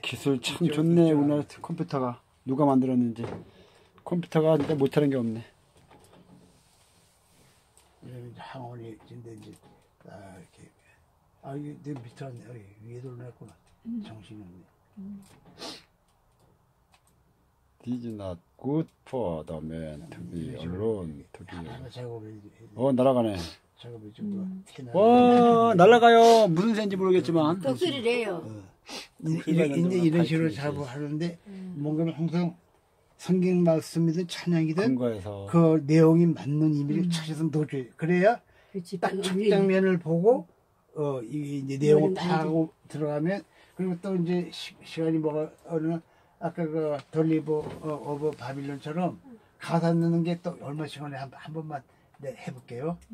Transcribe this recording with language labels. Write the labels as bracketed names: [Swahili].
[Korean] 기술 참 좋네 우리나라 컴퓨터가 누가 만들었는지 컴퓨터가 진짜 못하는 게 없네 이러면 이제 황혼이 이제 아 이렇게 아 이게 내 밑으로 왔네 여기 위에도 올라갔구나 정신이 없네. [English] This is not good for the man to be alone. [Korean] 작업을 날아가네. 작업이 좀 더 와, 날아가요. 무슨 새인지 모르겠지만. 독수리래요. 이제 이런 식으로 작업을 하는데 뭔가 항상 성경 말씀이든 찬양이든 그 내용이 맞는 의미를 찾아서 넣어줘요. 그래야 딱 첫 장면을 보고 이제 내용을 파고 들어가면 그리고 또 이제 시간이 뭐가 어느 아까 그 돌리브 오브 바빌론처럼 가사 넣는 게 또 얼마 시간에 한 번만 네, 해볼게요.